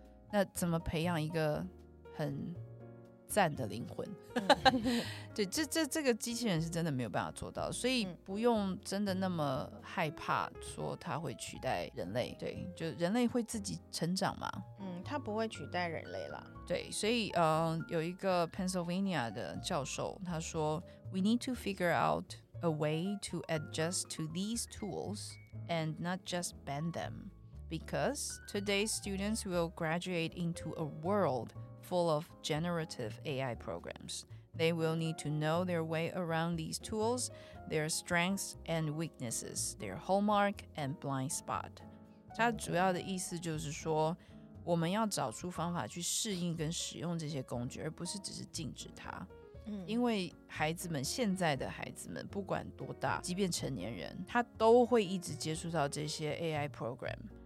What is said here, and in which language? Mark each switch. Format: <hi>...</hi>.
<zh>那怎么培养一个很赞的灵魂对，这个机器人是真的没有办法做到，所以不用真的那么害怕说它会取代人类。对，就人类会自己成长嘛。它不会取代人类了。对，所以有一个 Pennsylvania 的教授他说</zh> <en>We need to figure out a way to adjust to these tools and not just ban them because today's students will graduate into a worldfull of generative AI programs. They will need to know their way around these tools, their strengths and weaknesses, their hallmark and blind spot.</en> <zh>他主要的意思就是说，我们要找出方法去适应跟使用这些工具，而不是只是禁止它。因为孩子们，现在的孩子们，不管多大，即便成年人，他都会一直接触到这些 AI program。</zh>